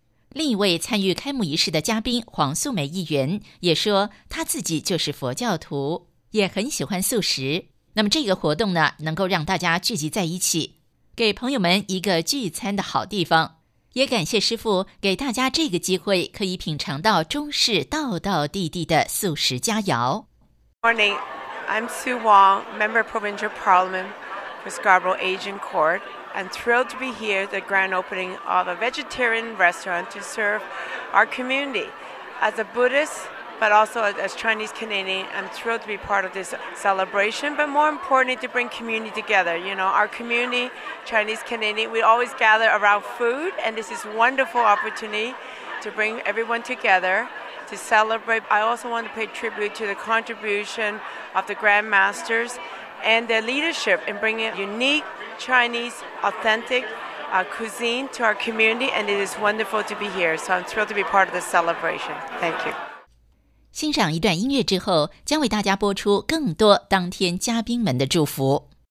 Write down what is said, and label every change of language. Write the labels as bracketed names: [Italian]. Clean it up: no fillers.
[Chinese] 另一位参与开幕仪式的嘉宾黄素梅议员也说，他自己就是佛教徒，也很喜欢素食。那么这个活动呢，能够让大家聚集在一起，给朋友们一个聚餐的好地方。也感谢师父给大家这个机会，可以品尝到中式道道地地的素食佳肴。 [English] Morning, I'm Sue Wong, Member of Provincial Parliament for Scarborough Asian Court, and thrilled to be here at the grand opening of a vegetarian restaurant to serve our community. As a Buddhist, but also as Chinese Canadian, I'm thrilled to be part of this celebration, but more importantly, to bring community together. You know, our community, Chinese Canadian, we always gather around food, and this is a wonderful opportunity to bring everyone together to celebrate. I also want to pay tribute to the contribution of the Grand Masters and their leadership in bringing unique Chinese authentic cuisine to our community, and it is wonderful to be here. So I'm thrilled to be part of this celebration. Thank you. [Chinese] 欣赏一段音乐之后，将为大家播出更多当天嘉宾们的祝福。